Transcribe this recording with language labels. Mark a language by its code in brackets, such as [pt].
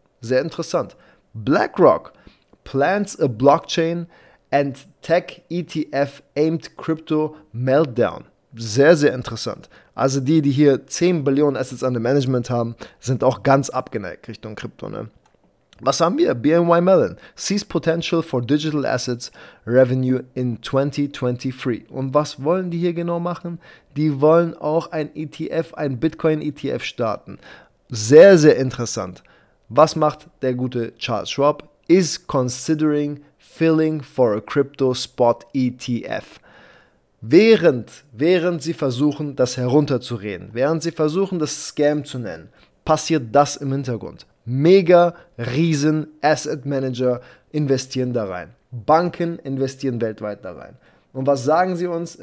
[de] Sehr interessant. [en] BlackRock plans a blockchain and tech ETF aimed crypto meltdown. [de] Sehr, sehr interessant. Also die hier 10 Billionen Assets under Management haben, sind auch ganz abgeneigt Richtung Krypto. Ne? Was haben wir? [en] BNY Mellon sees potential for digital assets revenue in 2023. [de] Und was wollen die hier genau machen? Die wollen auch ein ETF, ein Bitcoin ETF starten. Sehr, sehr interessant. Was macht der gute Charles Schwab? [en] is considering filling for a crypto spot ETF. [de] Während sie versuchen, das herunterzureden, während sie versuchen, das Scam zu nennen, passiert das im Hintergrund. Mega riesen Asset Manager investieren da rein. Banken investieren weltweit da rein. Und was sagen sie uns?